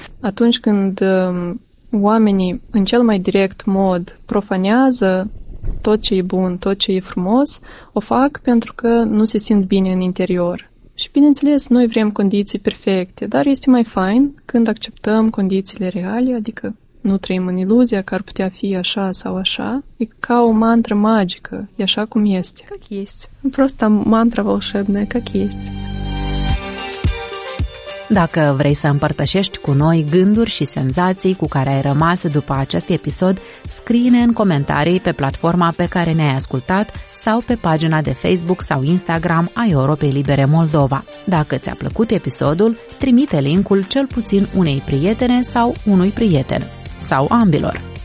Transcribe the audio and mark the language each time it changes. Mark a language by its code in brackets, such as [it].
[ro] Atunci când oamenii, în cel mai direct mod, profanează tot ce e bun, tot ce e frumos, o fac pentru că nu se simt bine în interior. Și, bineînțeles, noi vrem condiții perfecte, dar este mai fain când acceptăm condițiile reale, adică nu trăim în iluzia că ar putea fi așa sau așa. E ca o mantră magică, e așa cum este. [ru] Как есть. Просто мантра волшебная, как есть. [ro] Dacă vrei să împărtășești cu noi gânduri și senzații cu care ai rămas după acest episod, scrie-ne în comentarii pe platforma pe care ne-ai ascultat sau pe pagina de Facebook sau Instagram a Europei Libere Moldova. Dacă ți-a plăcut episodul, trimite link-ul cel puțin unei prietene sau unui prieten, sau ambilor.